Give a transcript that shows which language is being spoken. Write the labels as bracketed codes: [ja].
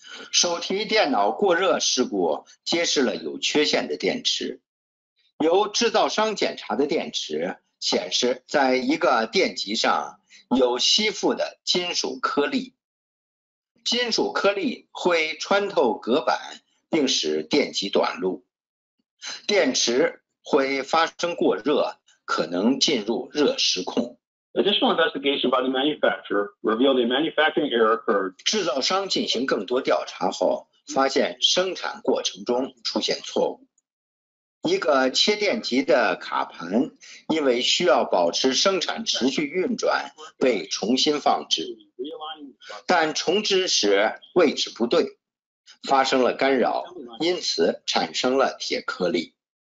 [zh] 手提电脑过热事故揭示了有缺陷的电池，由制造商检查的电池显示在一个电极上有吸附的金属颗粒，金属颗粒会穿透隔板并使电极短路，电池会发生过热，可能进入热失控。 [en] Additional investigation by the manufacturer revealed a manufacturing error occurred. [zh] 制造商进行更多调查后，发现生产过程中出现错误。一个切电极的卡盘因为需要保持生产持续运转被重新放置，但重置时位置不对，发生了干扰，因此产生了铁颗粒。